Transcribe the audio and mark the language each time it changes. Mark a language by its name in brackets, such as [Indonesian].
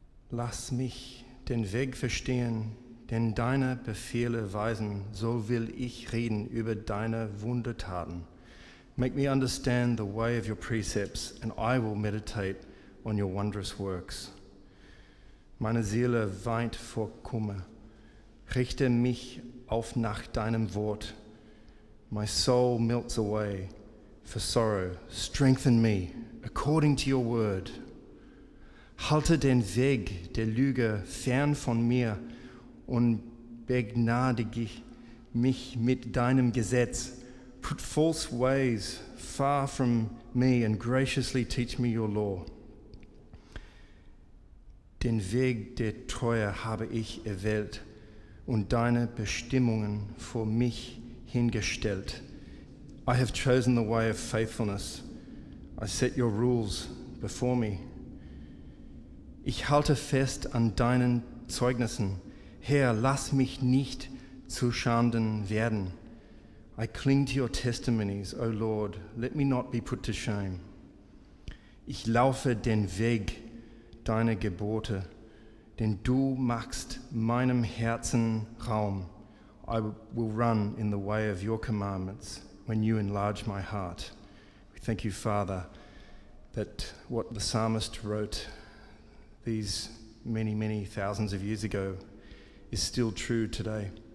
[German] Lass mich den Weg verstehen, denn deine Befehle weisen, so will ich reden über deine Wundertaten. [English] Make me understand the way of your precepts, and I will meditate on your wondrous works. [German] Meine Seele weint vor Kummer. Richte mich auf nach deinem Wort. [English] My soul melts away for sorrow. Strengthen me according to your word. [German] Halte den Weg der Lüge fern von mir und begnadige mich mit deinem Gesetz. [English] Put false ways far from me and graciously teach me your law. [German] Den Weg der Treue habe ich erwählt und deine Bestimmungen vor mich hingestellt. [English] I have chosen the way of faithfulness. I set your rules before me. [German] Ich halte fest an deinen Zeugnissen. Herr, lass mich nicht zu Schanden werden. [English] I cling to your testimonies, O Lord, let me not be put to shame. [German] Ich laufe den Weg deiner Gebote, denn du machst meinem Herzen Raum. [English] I will run in the way of your commandments when you enlarge my heart. We thank you, Father, that what the psalmist wrote these many, many thousands of years ago is still true today.